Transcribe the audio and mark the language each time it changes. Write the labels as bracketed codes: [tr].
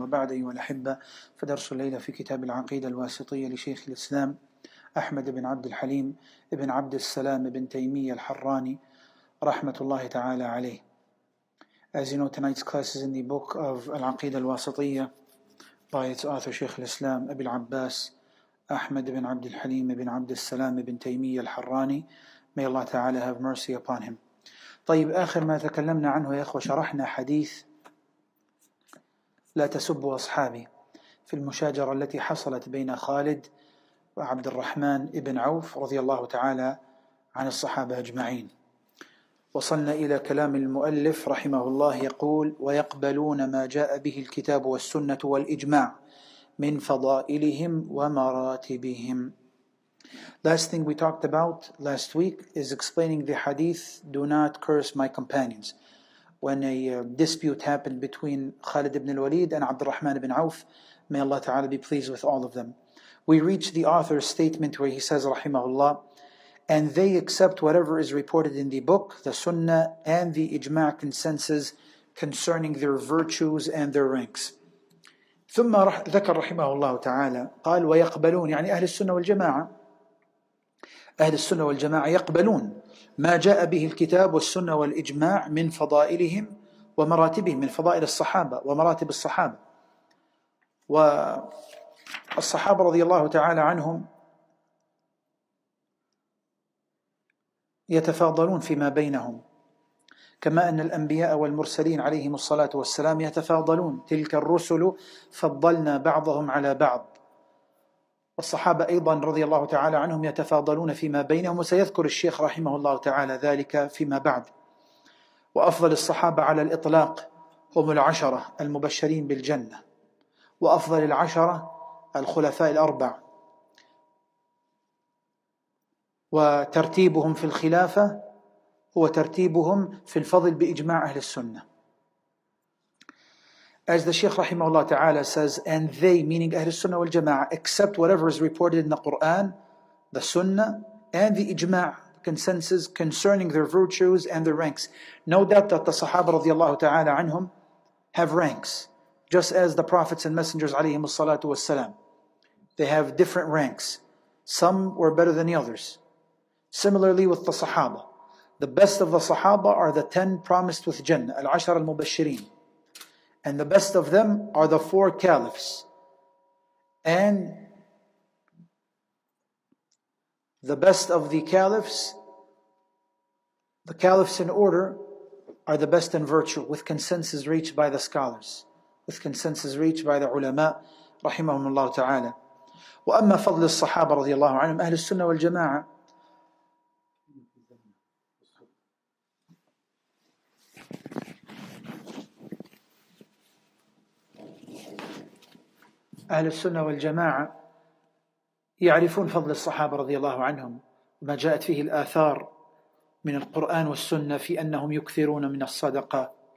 [ar] وبعد أيها الأحبة، فدرس الليلة في كتاب العقيدة الواسطية لشيخ الإسلام أحمد بن عبد الحليم بن عبد السلام بن تيمية الحراني رحمة الله تعالى عليه. [en] As you know, tonight's class is in the book of العقيدة الواسطية by its author شيخ الإسلام أبي العباس أحمد بن عبد الحليم بن عبد السلام بن تيمية الحراني. May Allah تعالى have mercy upon him. [ar] طيب، آخر ما تكلمنا عنه يا أخوة، شرحنا حديث لا تسبوا أصحابي في المشاجرة التي حصلت بين خالد وعبد الرحمن ابن عوف رضي الله تعالى عن الصحابة أجمعين. وصلنا إلى كلام المؤلف رحمه الله، يقول: ويقبلون ما جاء به الكتاب والسنة والإجماع من فضائلهم ومراتبهم. [en] Last thing we talked about last week is explaining the hadith "Do not curse my companions." When a dispute happened between Khalid ibn al-Walid and Abd al-Rahman ibn Auf, may Allah Ta'ala be pleased with all of them. We reach the author's statement where he says, Rahimahullah, and they accept whatever is reported in the book, the sunnah, and the ijma' consensus concerning their virtues and their ranks. [ar] ثم ذكر رحمه الله تعالى قال ويقبلون، يعني أهل السنة والجماعة، أهل السنة والجماعة يقبلون ما جاء به الكتاب والسنة والإجماع من فضائلهم ومراتبهم، من فضائل الصحابة ومراتب الصحابة. والصحابة رضي الله تعالى عنهم يتفاضلون فيما بينهم، كما أن الأنبياء والمرسلين عليهم الصلاة والسلام يتفاضلون: تلك الرسل فضلنا بعضهم على بعض. والصحابة أيضا رضي الله تعالى عنهم يتفاضلون فيما بينهم، وسيذكر الشيخ رحمه الله تعالى ذلك فيما بعد. وأفضل الصحابة على الإطلاق هم العشرة المبشرين بالجنة، وأفضل العشرة الخلفاء الأربع، وترتيبهم في الخلافة وترتيبهم في الفضل بإجماع أهل السنة. [en] As the Sheikh rahimahullah ta'ala says, and they, meaning [ar] أهل السنة والجماعة, [en] accept whatever is reported in the Quran, the Sunnah, and the إجماع consensus concerning their virtues and their ranks. No doubt that the Sahaba [ar] رضي الله تعالى عنهم [en] have ranks, just as the prophets and messengers [ar] عليهم الصلاة والسلام. [en] They have different ranks. Some were better than the others. Similarly with the Sahaba. The best of the Sahaba are the 10 promised with Jannah, Al-Ashar Al-Mubashirin. And the best of them are the 4 caliphs. And the best of the caliphs in order, are the best in virtue, with consensus reached by the scholars, with consensus reached by the ulama, [ar] رحمهم الله تعالى. وأما فضل الصحابة رضي الله عنهم، أهل السنة والجماعة، أهل السنة والجماعة يعرفون فضل الصحابة رضي الله عنهم، ما جاءت فيه الآثار من القرآن والسنة في أنهم يكثرون من الصدقة،